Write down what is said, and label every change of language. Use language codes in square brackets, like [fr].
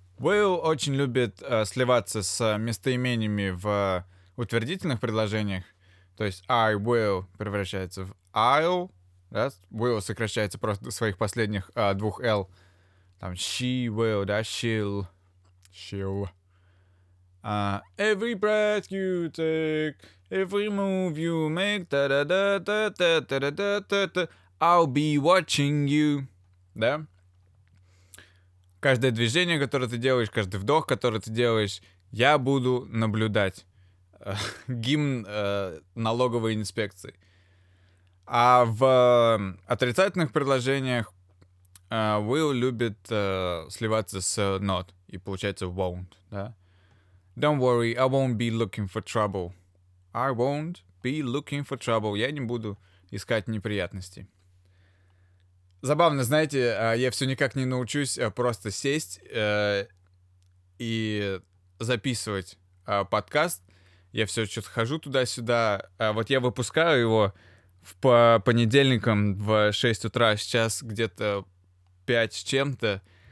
[ru] Will очень любит сливаться с местоимениями в утвердительных предложениях. То есть [en] I will [ru] превращается в I'll. Да? Will сокращается просто до своих последних двух L. [en] Там she will, да, she'll. She'll. Every breath you take, every move you make, da-da-da-da-da-da-da-da-da-da-da. I'll be watching you. Да? [ru] Каждое движение, которое ты делаешь, каждый вдох, который ты делаешь, я буду наблюдать. Гимн налоговой инспекции. А в отрицательных предложениях will любит сливаться с not, и получается won't. Да? [en] Don't worry, I won't be looking for trouble. I won't be looking for trouble. [ru] Я не буду искать неприятностей. Забавно, знаете, я все никак не научусь просто сесть и записывать подкаст. Я все что-то хожу туда-сюда. Вот я выпускаю его по понедельникам в 6 утра, сейчас где-то 5 с чем-то.